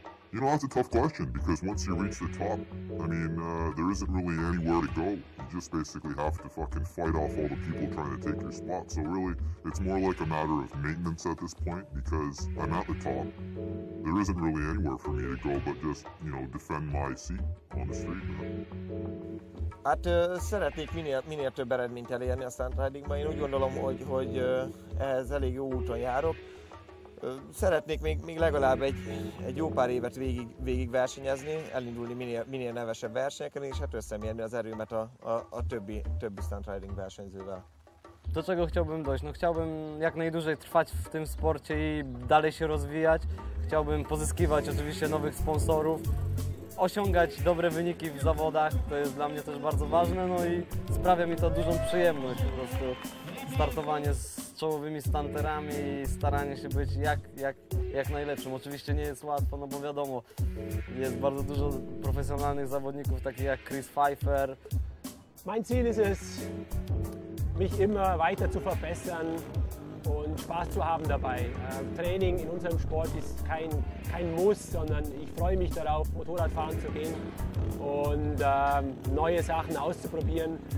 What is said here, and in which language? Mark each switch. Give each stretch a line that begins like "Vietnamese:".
English: You know, that's a tough question, because once you reach the top, I mean, there isn't really anywhere to go. You just basically have to fucking fight off all the people trying to take your spot. So really, it's more like a matter of maintenance at this point, because I'm at the top. There isn't really anywhere for me to go but just, you know, defend my seat on the street.
Hungarian: Hát szeretnék minél több eredményt elérni a stunt ridingben. Én úgy gondolom, hogy ehhez elég jó úton járok. Szeretnék még legalább egy jó pár évet végig versenyezni, elindulni minél nevesebb versenyeken, és hát összemérni az erőmet a többi stunt riding versenyzővel.
Polish: Do czego chciałbym dojść? No chciałbym jak najdłużej trwać w tym sporcie i dalej się rozwijać. Chciałbym pozyskiwać oczywiście nowych sponsorów, osiągać dobre wyniki w zawodach, to jest dla mnie też bardzo ważne, no i sprawia mi to dużą przyjemność po prostu. Startowanie z czołowymi stunterami i staranie się być jak najlepszym. Oczywiście nie jest łatwo, no bo wiadomo, jest bardzo dużo profesjonalnych zawodników, takich jak Chris Pfeiffer.
German: Mein Ziel ist es, mich immer weiter zu verbessern und Spaß zu haben dabei. Training in unserem Sport ist kein Muss, sondern ich freue mich darauf, Motorradfahren zu gehen und neue Sachen auszuprobieren.